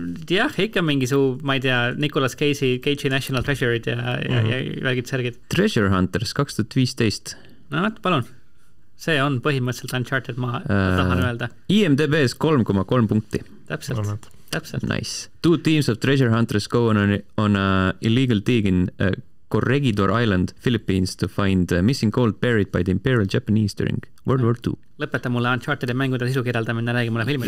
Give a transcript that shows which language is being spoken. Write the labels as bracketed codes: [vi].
[et] Jah, ikka mingi su, ma ei tea, Nicolas Cage'i National Treasure'id ja välgid särgid. Treasure Hunters 2015. No, palun. See on põhimõtteliselt Uncharted, ma tahan öelda. IMDb's 3,3 punkti. Täpselt. [en] Nice. 2 teams of treasure hunters go on a illegal dig in Corregidor Island, Philippines to find missing gold buried by the Imperial Japanese during World War II. [et] Lõpeta mulle Unchartedi mängude sisu kirjeldamine, räägi mulle filmi.